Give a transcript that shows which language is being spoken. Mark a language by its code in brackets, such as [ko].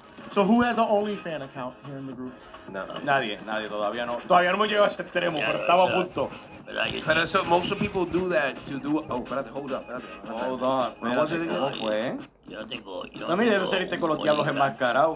[en] So who has an OnlyFans account here in the group? [es] Nadie, todavía no. Todavía no hemos llegado a ese extremo, pero estaba a punto. Pero eso, [en] most of people do that to do... [es] Oh, espérate, [en] hold up, Hold on. [es] ¿Cómo fue? Yo no tengo... No me interesa irte con los diablos enmascarados.